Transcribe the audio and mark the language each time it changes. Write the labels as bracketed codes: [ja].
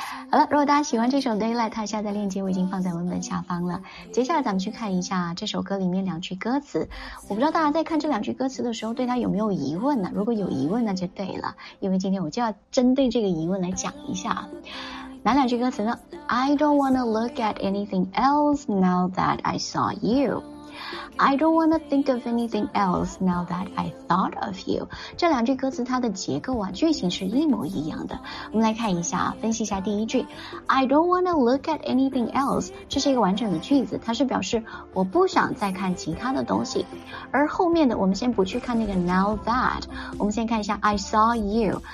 [zh] 好了，如果大家喜欢这首 Daylight， 它下载链接我已经放在文本下方了。接下来咱们去看一下这首歌里面两句歌词，我不知道大家在看这两句歌词的时候对它有没有疑问呢？如果有疑问那就对了，因为今天我就要针对这个疑问来讲一下。哪两句歌词呢？ [en] I don't wanna look at anything else now that I saw you. I don't wanna think of anything else now that I thought of you. [zh] 这两句歌词它的结构啊，句型是一模一样的。我们来看一下，分析一下第一句。 [en] I don't wanna look at anything else， [zh] 这是一个完整的句子，它是表示我不想再看其他的东西。而后面的我们先不去看那个 now that， 我们先看一下 [en] I saw you。